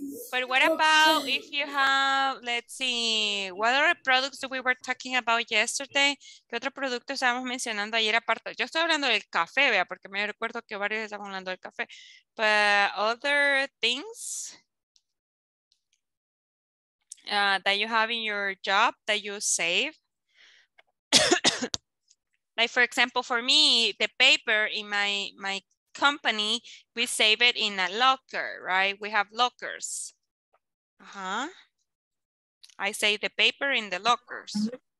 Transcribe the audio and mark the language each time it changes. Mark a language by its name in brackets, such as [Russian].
[English] But what about if you have, let's see, what are the products that we were talking about yesterday? [Spanish] ¿Qué otro producto estábamos mencionando ayer aparte? Yo estoy hablando del café, vea, porque me recuerdo que varios estaban hablando del café. [English] But other things. That you have in your job that you save. Like for example, for me, the paper in my company, we save it in a locker, right? We have lockers. I save the paper in the lockers.